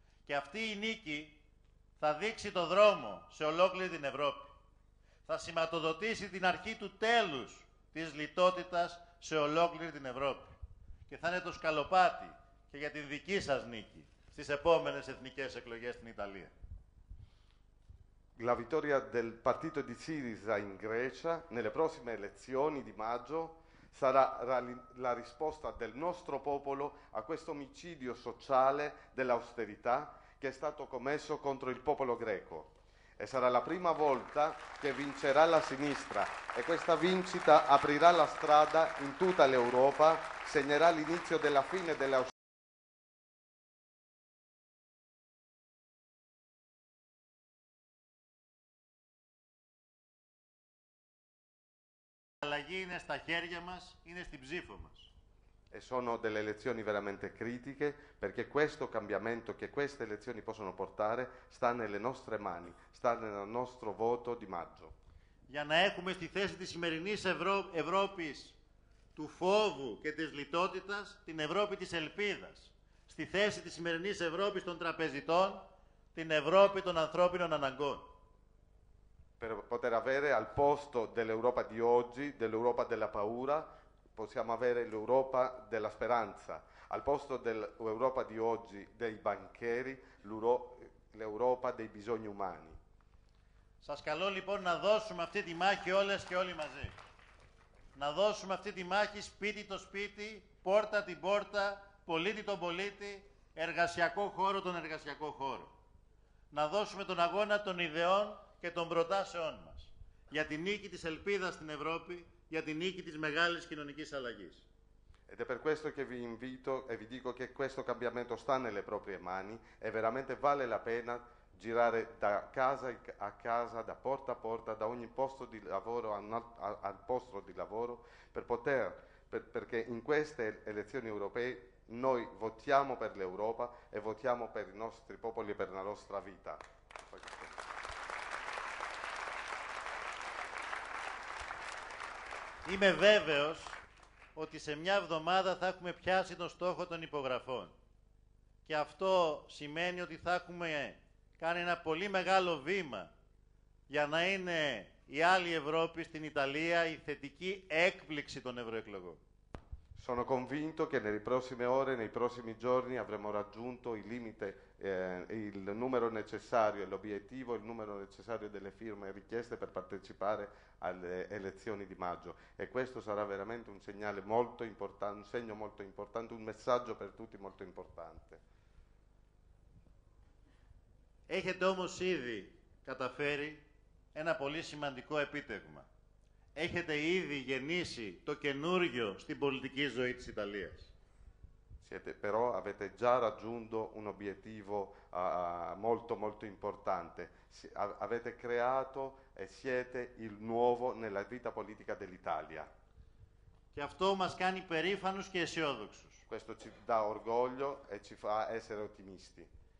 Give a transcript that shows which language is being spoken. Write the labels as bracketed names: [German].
[Greek] Και αυτή η νίκη θα δείξει το δρόμο σε ολόκληρη την Ευρώπη. Θα σηματοδοτήσει την αρχή του τέλους της λιτότητας σε ολόκληρη την Ευρώπη. Και θα είναι το σκαλοπάτι και για τη δική σας νίκη στις επόμενες εθνικές εκλογές στην Ιταλία. [Italian] La vittoria del partito di Syriza in Grecia nelle prossime elezioni di maggio sarà la risposta del nostro popolo a questo omicidio sociale dell'austerità che è stato commesso contro il popolo greco. E sarà la prima volta che vincerà la sinistra e questa vincita aprirà la strada in tutta l'Europa, segnerà l'inizio della fine dell'austerità. [Greek] Η αλλαγή είναι στα χέρια μας, είναι στην ψήφο μας. [Italian] E sono delle elezioni veramente critiche, perché questo cambiamento che queste elezioni possono portare sta nelle nostre mani, sta nel nostro voto di maggio. [Greek] Για να έχουμε στη θέση της σημερινής Ευρώπης του φόβου και της λιτότητας την Ευρώπη της ελπίδας. Στη θέση της σημερινής Ευρώπης των τραπεζιτών την Ευρώπη των ανθρώπινων αναγκών. [Italian] Per poter avere al posto dell'Europa di oggi, dell'Europa della paura, possiamo avere l'Europa della speranza. Al posto dell'Europa di oggi, dei banchieri, l'Europa dei bisogni umani. [Greek] Σας καλώ λοιπόν να δώσουμε αυτή τη μάχη όλες και όλοι μαζί. Να δώσουμε αυτή τη μάχη σπίτι το σπίτι, πόρτα την πόρτα, πολίτη τον πολίτη, εργασιακό χώρο τον εργασιακό χώρο. Να δώσουμε τον αγώνα των ιδεών και των προτάσεών μας. Για την νίκη της ελπίδας στην Ευρώπη, για την νίκη της μεγάλης κοινωνικής αλλαγής. [Italian] Ed è per questo che vi invito e vi dico che questo cambiamento sta nelle proprie mani e veramente vale la pena girare da casa a casa, da porta a porta, da ogni posto di lavoro al posto di lavoro, perché in queste elezioni europee noi votiamo per l'Europa e votiamo per i nostri popoli e per la nostra vita. [Greek] Είμαι βέβαιος ότι σε μια εβδομάδα θα έχουμε πιάσει τον στόχο των υπογραφών. Και αυτό σημαίνει ότι θα έχουμε κάνει ένα πολύ μεγάλο βήμα για να είναι η άλλη Ευρώπη στην Ιταλία η θετική έκπληξη των ευρωεκλογών. [Italian] Sono convinto che nelle prossime ore, nei prossimi giorni avremo raggiunto il limite, il numero necessario, l'obiettivo, il numero necessario delle firme richieste per partecipare alle elezioni di maggio. E questo sarà veramente un segnale molto importante, un segno molto importante, un messaggio per tutti molto importante. [Greek] Έχετε όμως ήδη καταφέρει ένα πολύ σημαντικό επίτευγμα. Έχετε ήδη γεννήσει το καινούργιο στην πολιτική ζωή της Ιταλίας. [Italian] Siete però avete già raggiunto un obiettivo molto molto importante. Avete creato e siete il nuovo nella vita politica dell'Italia. [Greek] Και αυτό μας κάνει περήφανους και αισιόδοξους. [Italian] Questo ci dà orgoglio e ci fa essere ottimisti.